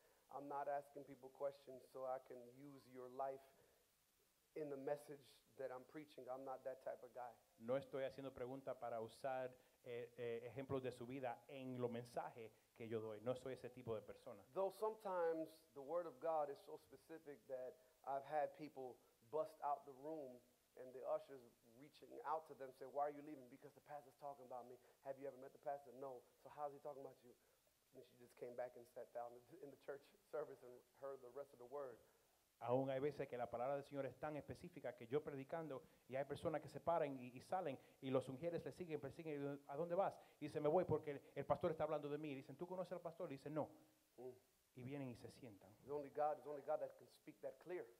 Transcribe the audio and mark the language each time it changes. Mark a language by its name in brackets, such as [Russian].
[English] I'm not asking people questions so I can use your life in the message that I'm preaching. I'm not that type of guy. [Spanish] No estoy haciendo preguntas para usar ejemplos de su vida en los mensajes que yo doy. No soy ese tipo de persona. [English] Though sometimes the word of God is so specific that I've had people bust out the room and the ushers reaching out to them say, why are you leaving? Because the pastor's talking about me. Have you ever met the pastor? No. So how's he talking about you? And she just came back and sat down in the church service and heard the rest of the word. [Spanish] Aún hay veces que la palabra del Señor es tan específica que yo predicando y hay personas que se paran y salen y los ungieres le siguen, persiguen, ¿a dónde vas? Y dice, me voy porque el pastor está hablando de mí. Y dicen, ¿tú conoces al pastor? Y dice, no. Mm. Y vienen y se sientan. [English] It's only God that can speak that clear.